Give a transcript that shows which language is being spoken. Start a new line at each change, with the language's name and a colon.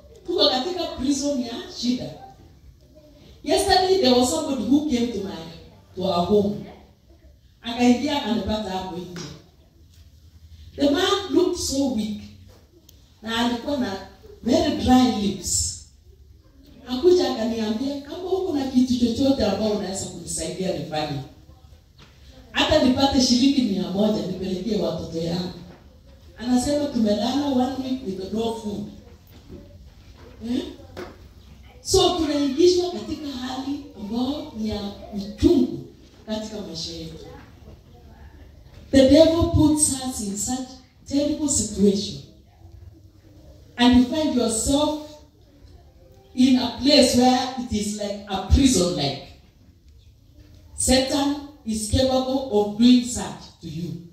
Swahili: Tuko katika prison ya shida.
English: Yesterday there was somebody who came to our home.
Swahili: Akaingia anapata hapo nje.
English: The man looked so weak.
Swahili: Na alikuwa na
English: very dry lips.
Swahili: Akuja akaniambia, kama huko na kitu chochote ambao unaweza kunisaidia nifanye. Hata nipate shilingi 100 nipelekee watoto yangu. Anasema tumelala 1 week
English: with no food.
Swahili: So tunaingishwa katika hali ambayo ni ya uchungu katika maisha yetu.
English: The devil puts us in such terrible situation. And you find yourself in a place where it is like a prison like. Satan is capable of doing such to you.